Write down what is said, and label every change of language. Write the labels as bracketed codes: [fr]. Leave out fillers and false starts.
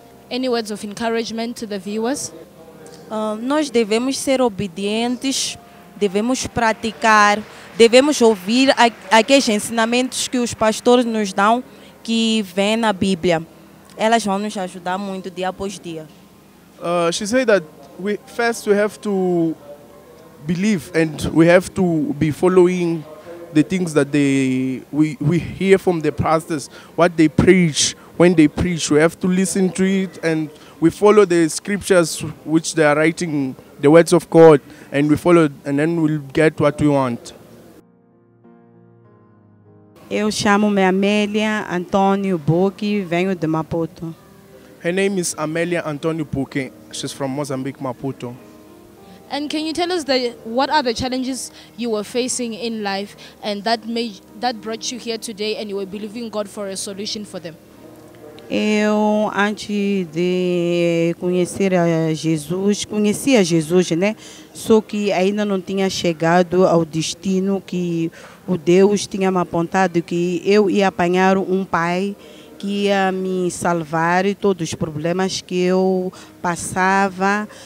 [en] Any words of encouragement to the viewers? [pt] Nós devemos ser obedientes, devemos praticar, devemos ouvir aqueles ensinamentos que os pastores nos dão, que vem na Bíblia. Elas vão nos ajudar muito dia após dia. [en] She said that first we have to believe and we have to be following the things that we hear from the pastors, what they preach, when they preach. We have to listen to it and we follow the scriptures which they are writing, the words of God, and we follow and then we'll get what we want. [pt] Eu chamo-me Amélia Antônio Buque, venho de Maputo. [en] Her name is Amélia Antônio Buque. She's from Mozambique, Maputo. And can you tell us what are the challenges you were facing in life and that brought you here today and you were believing God for a solution for them? [pt] Eu, antes de conhecer a Jesus, conhecia Jesus, né? Só que ainda não tinha chegado ao destino que o Deus tinha me apontado, que eu ia apanhar um pai que ia me salvar e todos os problemas que eu passava.